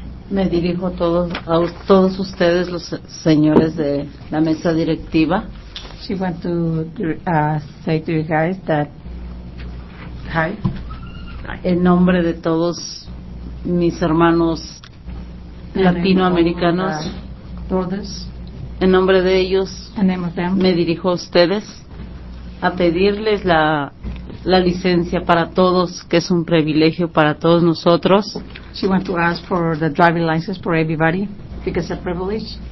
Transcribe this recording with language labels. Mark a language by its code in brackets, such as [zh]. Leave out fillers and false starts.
[es] Me dirijo a todos ustedes, los señores de la mesa directiva. [en] She wants to say to you guys that, hi. [es] En nombre de todos mis hermanos latinoamericanos, en nombre de ellos, me dirijo a ustedes a pedirles la licencia para todos, que es un privilegio para todos nosotros. [en] She wants to ask for the driving license for everybody, because it's a privilege.